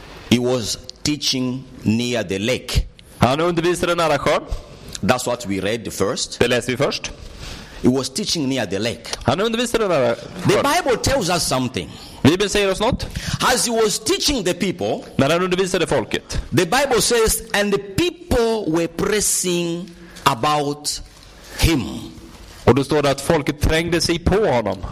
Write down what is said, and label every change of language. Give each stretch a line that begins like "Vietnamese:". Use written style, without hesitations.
English: He was teaching near the lake.
Swedish: Han undervisade nära sjön.
English: That's what we read first.
Swedish: Det läste vi först.
English: He was teaching near the lake.
Swedish: Han undervisade nära sjön.
English: The Bible tells us something.
Swedish: Bibeln säger oss något.
English: As he was teaching the people.
Swedish: När han undervisade folket.
English: The Bible says and the people were pressing about him.
Swedish: Och då står det att folket trängde sig på honom.